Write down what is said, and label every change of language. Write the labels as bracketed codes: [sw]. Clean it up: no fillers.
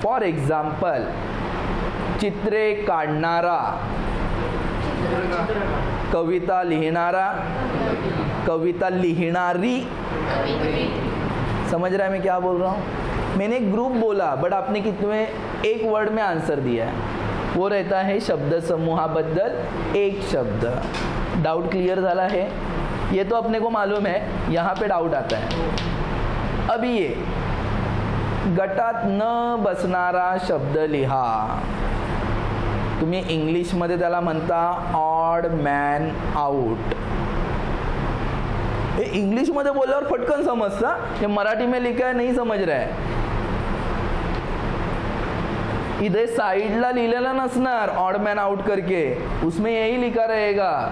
[hi] For example, [mr] चित्रे काढणारा, कविता लिहिणारा, कविता लिहिणारी, [hi] समझ रहा है मैं क्या बोल रहा हूँ? मैंने एक ग्रुप बोला बट आपने कितने एक वर्ड में आंसर दिया है, वो रहता है शब्द समूहाबद्दल एक शब्द। [mr] डाउट क्लियर झाला है? [hi] ये तो अपने को मालूम है, यहाँ पे डाउट आता है अभी, [mr] ये गटात न बसणारा शब्द लिहा, तुम्ही इंग्लिश मध्ये त्याला म्हणता ऑड मॅन आउट। हे इंग्लिश मध्ये बोलल्यावर पटकन समजता, हे [hi] मराठी में लिखा है नहीं समझ रहा है, [mr] इधे साइडला लिहिलेला नसणार ऑड मॅन आउट करके, [hi] उसमें यही लिखा रहेगा।